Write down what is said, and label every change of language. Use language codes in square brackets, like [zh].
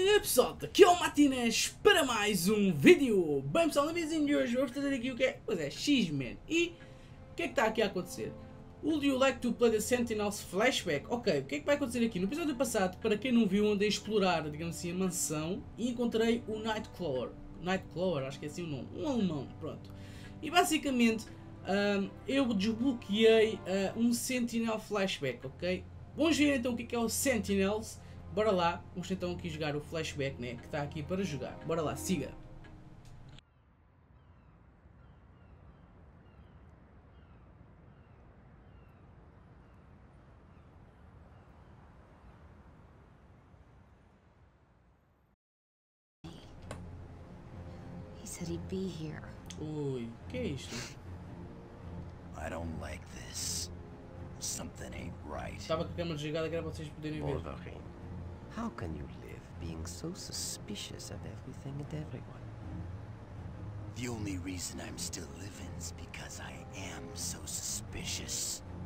[pt] pessoal, aqui é o Matinez para mais um vídeo. Bem pessoal, no vídeo de hoje vamos trazer aqui o que é, pois é, X-Men. E o que é que está aqui a acontecer? [en] Would you like to play the Sentinels flashback? [pt] Ok, o que é que vai acontecer aqui? No episódio passado, para quem não viu, andei a explorar, digamos assim, a mansão e encontrei o Nightcrawler. Nightcrawler, acho que é assim o nome. Um alemão, pronto. E basicamente, eu desbloqueei um Sentinel flashback, ok? Vamos ver então o que é o Sentinels. Bora lá, vamos então aqui jogar o flashback, né, que está aqui para jogar. Bora lá, siga. [en] He said he'd be here. [pt] Oi, que é isto? [en] I don't like this. Something ain't right. [pt] Estava com a câmera desligada, que era para vocês poderem ver. [en] How can you live being so suspicious of everything and everyone? The only reason I'm still living is because I am so suspicious.